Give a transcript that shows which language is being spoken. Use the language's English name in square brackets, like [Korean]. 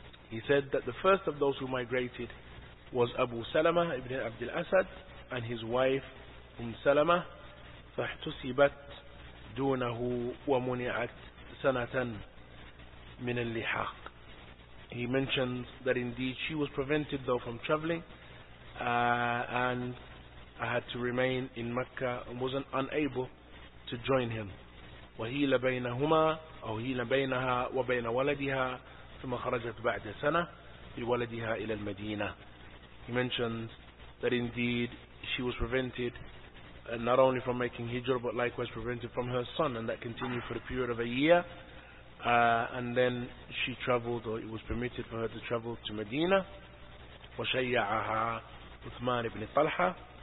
[English] He said that the first of those who migrated was Abu Salama ibn Abd al-Asad and his wife Umm Salama. [Arabic] فاحتسبت دونه ومنعت سنة من اللحاق. [English] He mentions that indeed she was prevented though from traveling and I had to remain in Mecca and wasn't unable to join him. [Arabic] وهيل بينهما أو هيل بينها وبين ولدها ثم خرجت بعد سنة بولدها إلى المدينة. [English] He mentions that indeed she was prevented not only from making hijra but likewise prevented from her son, and that continued for a period of a year. And then she traveled, or it was permitted for her to travel to Medina. [Arabic] وشيعها عثمان بن طلحة.